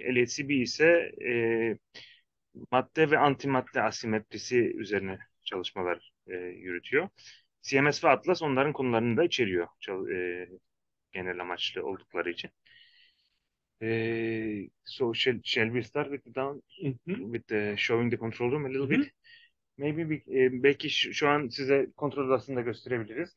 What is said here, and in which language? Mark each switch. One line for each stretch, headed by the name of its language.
Turkish: LHCb ise madde ve antimadde asimetrisi üzerine çalışmalar yürütüyor. CMS ve Atlas onların konularını da içeriyor genel amaçlı oldukları için.
English: Shall we start with the down with the showing the control room a little bit?
Turkish: Belki şu an size kontrol odasını da gösterebiliriz.